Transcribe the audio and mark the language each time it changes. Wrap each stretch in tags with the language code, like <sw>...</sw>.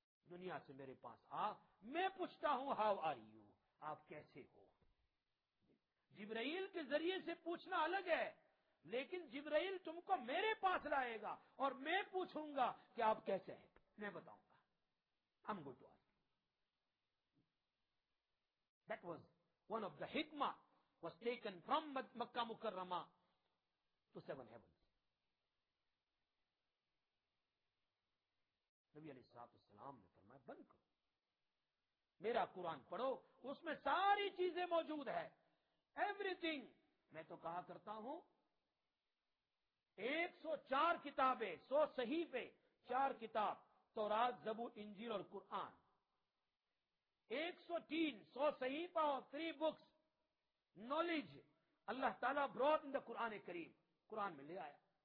<ur>دنیا سے میرے پاس آ, میں پوچھتا ہوں</ur> <en>how are you,</en> <ur>آپ کیسے ہو. جبرائیل کے ذریعے سے پوچھنا الگ ہے, لیکن جبرائیل تم کو میرے پاس لائے گا اور میں پوچھوں گا کہ آپ کیسے ہیں, میں بتاؤں گا.</ur> <en>I'm going to ask. That was one of the hikmah was taken from Makkah Mukarrama to seven heavens.</en> <ur>نبی علیہ السلام نے فرمایا بند کرو, میرا قرآن پڑھو, اس میں ساری چیزیں موجود ہیں, everything. میں تو کہا کرتا ہوں 104 کتابیں, 100 صحیفے, 4 کتاب تورات زبور انجیل اور قرآن, 103 100 صحیفہ اور 3 بکس نالج اللہ تعالیٰ</ur> <en>brought in the</en> <ur>قرآن کریم, قرآن میں لے آیا.</ur>